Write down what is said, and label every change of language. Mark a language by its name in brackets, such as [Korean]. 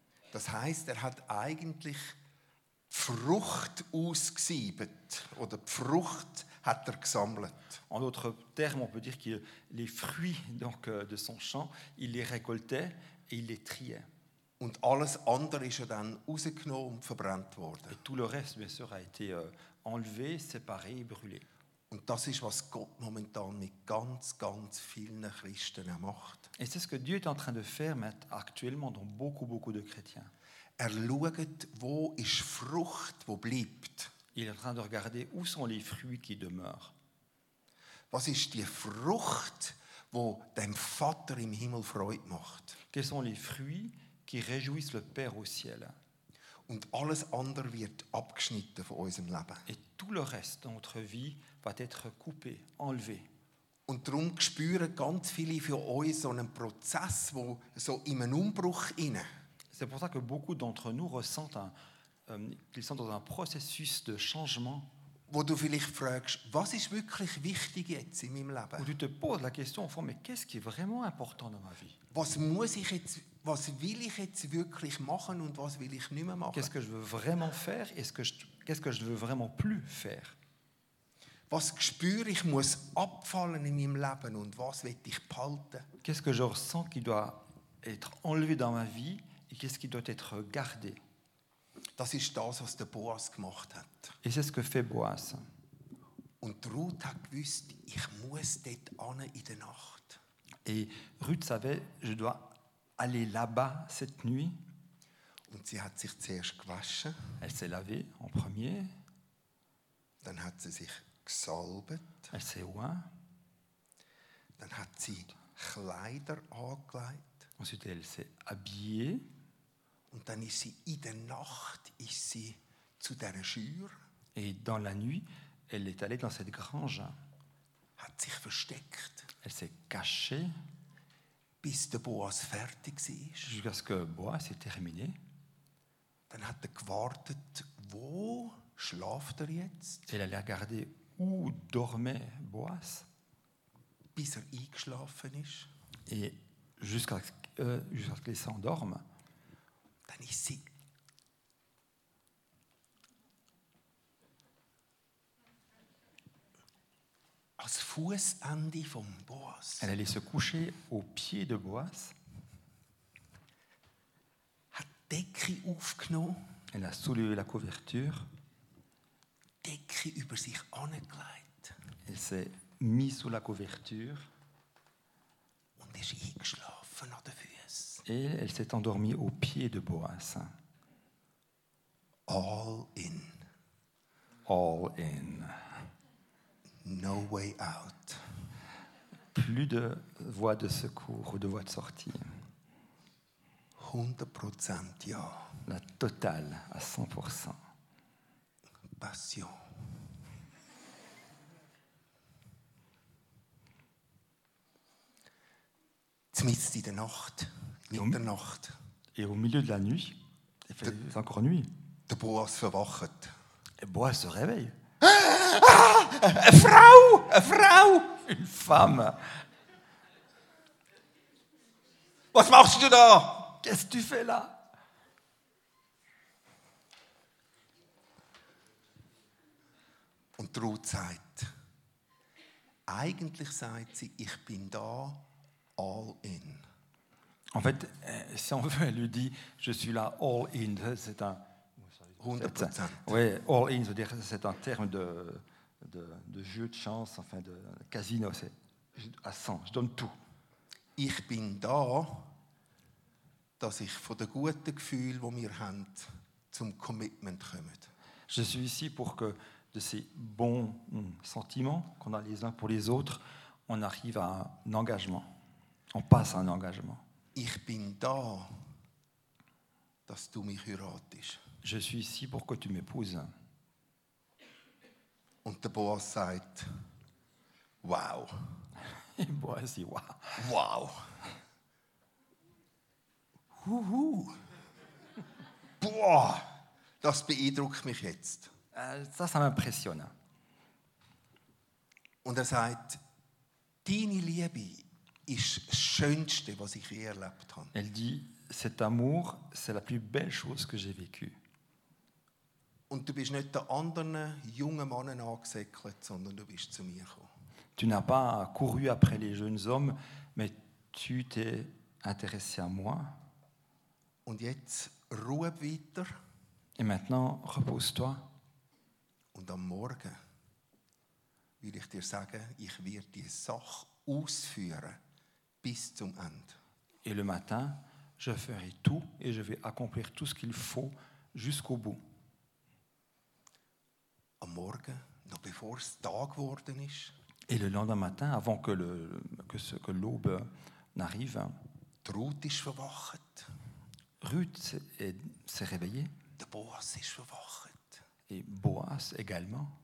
[German] Das heißt, er hat eigentlich Frucht ausgesiebt, oder Frucht hat er gesammelt. [French] En d'autres termes, on peut dire que les fruits donc, de son champ, il les récoltait et il les triait. [German] Und alles andere ist ja dann rausgenommen und verbrannt worden. [French] Et tout le reste, bien sûr, a été enlevé, séparé et brûlé. [German] Und das ist, was Gott momentan mit ganz, ganz vielen Christen macht. [French] Et c'est ce que Dieu est en train de faire actuellement dans beaucoup, beaucoup de chrétiens. [German] Er schaut, wo ist Frucht, wo bleibt. [French] Il est en train de regarder où sont les fruits qui demeurent. [German] Was ist die Frucht, wo dem Vater im Himmel Freude macht? [French] Quels sont les fruits qui réjouissent le Père au ciel? [German] Und alles andere wird abgeschnitten von unserem Leben. [French] Et tout le reste de notre vie va être coupé, enlevé. [German] Und darum spüren ganz viele für uns so einen Prozess, wo so in einem Umbruch inne. [French] C'est pour ça que beaucoup d'entre nous ressentent qu'ils sont dans un processus de changement. [German] Wo du vielleicht fragst, was ist wirklich wichtig jetzt in meinem Leben? [French] Où tu te poses la question au fond, mais qu'est-ce qui est vraiment important dans ma vie? [German] Was muss ich jetzt, was will ich jetzt wirklich machen und was will ich nicht mehr machen? [French] Qu'est-ce que je veux vraiment faire et qu'est-ce que je veux vraiment plus faire? [German] Was spüre ich muss abfallen in meinem Leben und was will ich behalten? [French] Qu'est-ce que je ressens qui doit être enlevé dans ma vie et qu'est-ce qui doit être gardé? [German] Das ist das, was der Boaz gemacht hat. [French] Et c'est ce que fait Boaz. [German] Und Ruth hat gewusst, ich muss dort hin in der Nacht. [French] Et Ruth savait, je dois aller là-bas cette nuit. [German] Und sie hat sich zuerst gewaschen. [French] Elle s'est lavée en premier. [German] Dann hat sie sich gesalbet. [French] Elle s'est oint. [German] Dann hat sie Kleider angelegt. [French] Ensuite, elle s'est habillée. [German] Und dann ist sie in der Nacht ist sie zu dieser Schür. [French] Et dans la nuit, elle est allée dans cette grange. [German] Hat sich versteckt. [French] Elle s'est cachée. [German] Bis der Boaz fertig war. [French] Jusqu'à ce que Boaz est terminé. [German] Dann hat er gewartet, wo schlaft er jetzt? [French] Elle allait regarder où dormait Boaz. [German] Bis er eingeschlafen ist. [French] Et jusqu'à ce qu'il s'endorme. [German] Dann ist sie als Fußende von Boaz. [French] Elle allait se coucher au pied de Boaz. [German] Hat Decke aufgenommen. [French] Elle a soulevé la couverture. [German] Decke über sich angelegt. [French] Elle s'est mise sous la couverture. [German] Und ist eingeschlafen an den Füßen. [French] Et elle s'est endormie au pied de Boaz. [English] All in. All in. No way out. [French] Plus de voie de secours ou de voie de sortie. [German] 100% ja. [French] La totale à 100%. [English] Passion. [German] Zmitz in der Nacht. Mitternacht. [French] Et au milieu de la nuit, il fait encore nuit. [German] Der Boaz verwacht. [French] Et Boaz se réveille. [German] Eine Frau! [French] Une femme. [German] Was machst du da? [French] Qu'est-ce que tu fais là? [German] Und Ruth sagt, eigentlich sagt sie, ich bin da, [English] all in. [French] En fait, si on veut, elle lui dit, je suis là, [English] all in, [French] c'est un... 100%. Oui, [English] all in, [French] c'est-à-dire que c'est un terme de jeu de chance, enfin de casino, c'est à 100, je donne tout. [German] Ich bin da, dass ich von den guten Gefühlen, die wir haben, zum Commitment komme. [French] Je suis ici pour que de ces bons sentiments qu'on a les uns pour les autres, on arrive à un engagement, on passe à un engagement. [German] Ich bin da, dass du mich heiratest. [French] Je suis ici pour que tu m'épouses. [German] Und der Boas sagt, wow. [French] Boas dit, wow. Wow. Huhu. [German] Boah, das beeindruckt mich jetzt. [French] Ça m'impressionne. [German] Und er sagt, deine Liebe ist das Schönste, was ich je erlebt habe. [French] Elle dit, cet amour, c'est la plus belle chose que j'ai vécue. [German] Und du bist nicht den anderen jungen Männern angesäckelt, sondern du bist zu mir gekommen. [French] Tu n'as pas couru après les jeunes hommes, mais tu t'es intéressé à moi. [German] Und jetzt ruhe weiter. [French] Et maintenant, repose-toi. [German] Und am Morgen will ich dir sagen, ich werde die Sache ausführen bis zum Ende. [French] Et le matin, je ferai tout et je vais accomplir tout ce qu'il faut jusqu'au bout. [German] Am Morgen, noch bevor es Tag geworden ist. [French] Et le lendemain matin, avant que, le, que, ce, que l'aube n'arrive. [German] Ruth ist verwacht. [French] Ruth s'est réveillée. [German] Der Boas ist verwacht. [French] Et Boas également.